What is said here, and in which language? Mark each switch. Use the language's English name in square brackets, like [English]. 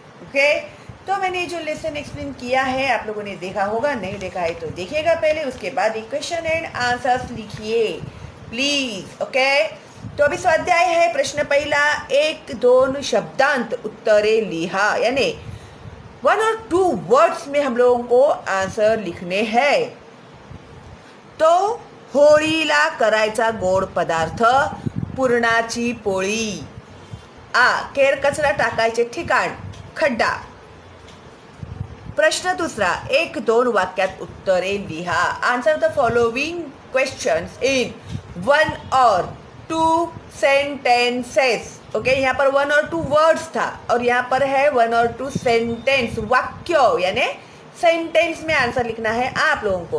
[Hindi] Okay, तो मैंने जो लेसन एक्सप्लेन किया है आप लोगों ने देखा होगा, नहीं देखा है तो देखिएगा पहले, उसके बाद ही क्वेश्चन एंड आंसर्स लिखिए प्लीज। ओके, तो अभी स्वाध्याय है, [Marathi] प्रश्न पहला, एक दोन शब्दांत उत्तरे लिहा, [Hindi] यानी वन और टू वर्ड्स में हम लोगों को आंसर लिखने हैं। [Marathi] तो होळीला करायचा गोड पदार्थ पुरणाची पोळी, केर कचरा टाकायचे ठिकाण खड्डा। प्रश्न दुसरा, एक दोन वाक्यात उत्तरे लिहा, [English] Answer the following questions in one और two sentences. [Hindi] ओके, यहाँ पर वन और टू वर्ड्स था और यहाँ पर है वन और टू सेंटेंस, वाक्य यानी सेंटेंस में आंसर लिखना है आप लोगों को।